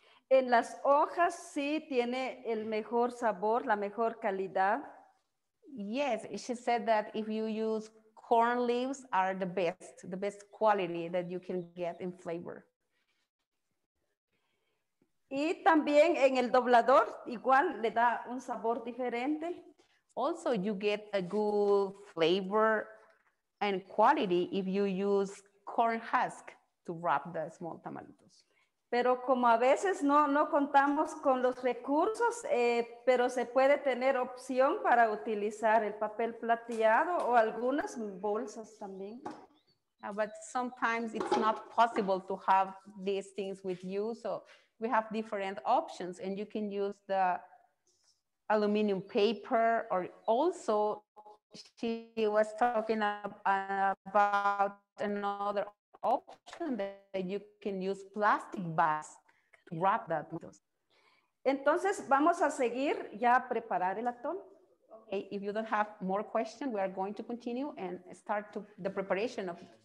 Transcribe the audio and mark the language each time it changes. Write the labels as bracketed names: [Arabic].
[Spanish] En las hojas sí tiene el mejor sabor, la mejor calidad. [English] Yes, she said that if you use corn leaves are the best quality that you can get in flavor. [Spanish] Y también en el doblador igual le da un sabor diferente. [English] Also you get a good flavor and quality if you use corn husk to wrap the small tamalitos. [Spanish] Pero como a veces no contamos con los recursos, pero se puede tener opción para utilizar el papel plateado o algunas bolsas también. [English] But sometimes it's not possible to have these things with you, so we have different options and you can use the aluminum paper or also she was talking about another option that you can use plastic bags to wrap that. [Spanish] Entonces vamos a seguir ya a preparar el atol. [English] Okay, if you don't have more questions, we are going to continue and start to the preparation of.